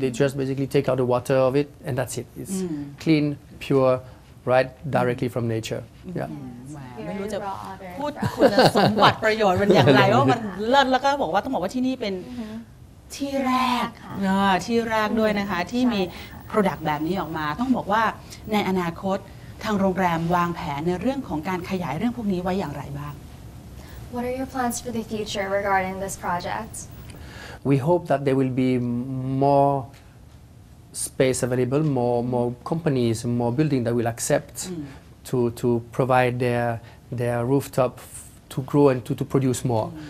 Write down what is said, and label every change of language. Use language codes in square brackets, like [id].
[en] They just basically take out the water of it and that's it. It's clean, pure. Right directly from nature. Yeah. [th] ไม่รู้จะพูดคุณสมบัติประโยชน์มันอย่างไรว่ามันเลิศแล้วก็บอกว่าต้องบอกว่าที่นี่เป็นที่แรก ค่ะ ที่แรกด้วยนะคะที่มี product แบบนี้ออกมาต้องบอกว่าในอนาคตทางโรงแรมวางแผนในเรื่องของการขยายเรื่องพวกนี้ไว้อย่างไรบ้าง [en] What are your plans for the future regarding this project? We hope that there will be moreSpace available, more companies, more building that will accept to provide their rooftop to grow and to produce more.